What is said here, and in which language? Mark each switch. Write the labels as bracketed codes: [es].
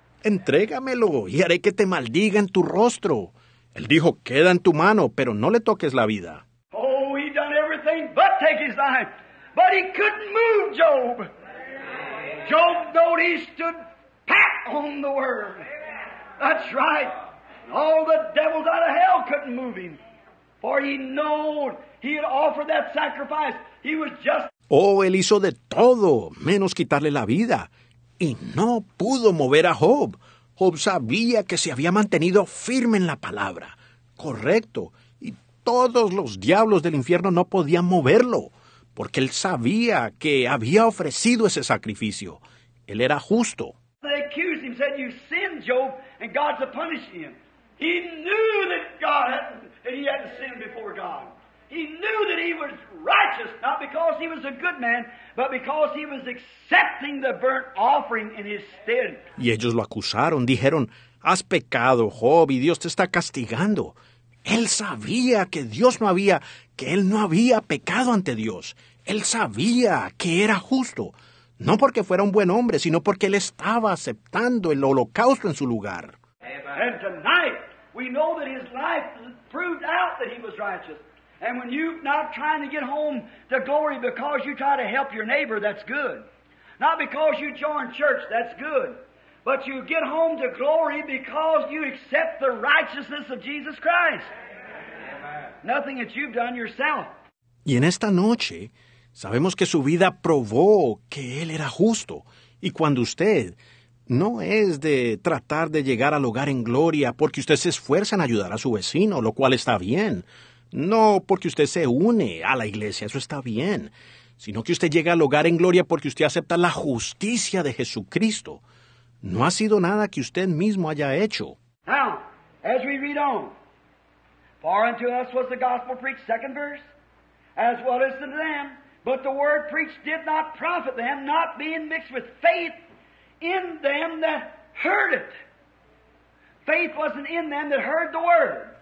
[es] Entrégamelo y haré que te maldiga en tu rostro. Él dijo, queda en tu mano, pero no le toques la vida. [en] Oh, he done everything but take his life. But he couldn't move Job. Job thought he stood pat on the word. That's right. All the devils out of hell couldn't move him. For he knew he had offered that sacrifice. He was just... [es] Oh, él hizo de todo, menos quitarle la vida. Y no pudo mover a Job. Job sabía que se había mantenido firme en la palabra. Correcto. Y todos los diablos del infierno no podían moverlo. Porque él sabía que había ofrecido ese sacrificio. Él era justo. [en] They accused him, said, you sinned, Job, and God's punishing him. He knew that God hadn't, he hadn't sinned before God. He knew that he was righteous, not because he was a good man, but because he was accepting the burnt offering in his stead. [es] Y ellos lo acusaron, dijeron, has pecado, Job, y Dios te está castigando. Él sabía que Dios no había, que él no había pecado ante Dios. Él sabía que era justo, no porque fuera un buen hombre, sino porque él estaba aceptando el holocausto en su lugar. [en] And tonight, we know that his life proved out that he was righteous. And when you're not trying to get home to glory because you try to help your neighbor, that's good. Not because you join church, that's good. But you get home to glory because you accept the righteousness of Jesus Christ. Amen. Nothing that you've done yourself. [es] Y en esta noche, sabemos que su vida probó que él era justo. Y cuando usted no es de tratar de llegar al hogar en gloria porque usted se esfuerza en ayudar a su vecino, lo cual está bien. No porque usted se une a la iglesia, eso está bien, sino que usted llega al hogar en gloria porque usted acepta la justicia de Jesucristo. No ha sido nada que usted mismo haya hecho. [en] Now, as we read on, for unto us was the gospel preached, second verse, as well as to them, but the word preached did not profit them, not being mixed with faith in them that heard it. Faith wasn't in them that heard the word.